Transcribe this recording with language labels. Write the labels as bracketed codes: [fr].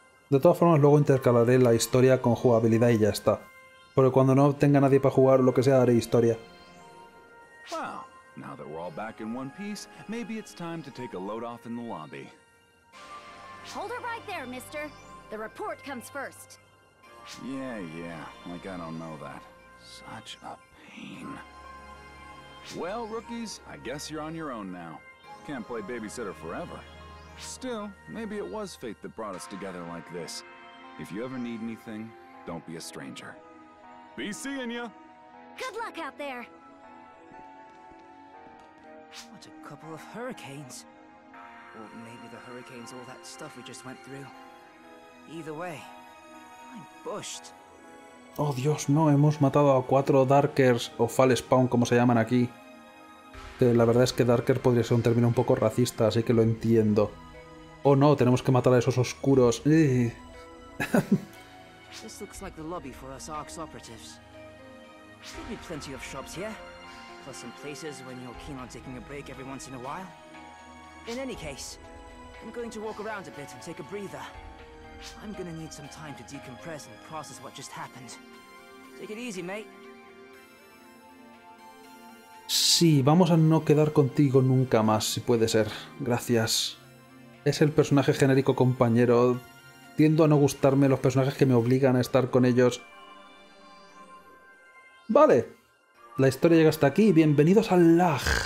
[es] De todas formas, luego intercalaré la historia con jugabilidad y ya está. Pero cuando no tenga nadie para jugar, lo que sea, haré historia. [en] Well, now that we're all back in one piece, maybe it's time to take a load off in the lobby. Hold it right there, mister. The report comes first. Yeah, like I don't know that. Such a pain. Well, rookies, I guess you're on your own now. Can't play babysitter forever. Still, maybe it was fate that brought us together like this. If you ever need anything, don't be a stranger. Be seeing ya! Good luck out there! What a couple of hurricanes. Or maybe the hurricanes, all that stuff we just went through. Either way, I'm bushed. [es] Oh Dios, no, hemos matado a cuatro Darkers, o Fallspawn como se llaman aquí. La verdad es que Darker podría ser un término un poco racista, así que lo entiendo. Oh no, tenemos que matar a esos oscuros. [en] This looks like the lobby for us ARX operatives. There'll be plenty of shops here, plus some places when you're keen on taking a break every once in a while. In any case, I'm going to walk around a bit and take a breather. I'm gonna need some time to decompress and process what just happened. Take it easy, mate. [es] Sí, vamos a no quedar contigo nunca más, si puede ser. Gracias. Es el personaje genérico compañero. Tiendo a no gustarme los personajes que me obligan a estar con ellos. Vale. La historia llega hasta aquí. Bienvenidos al lag.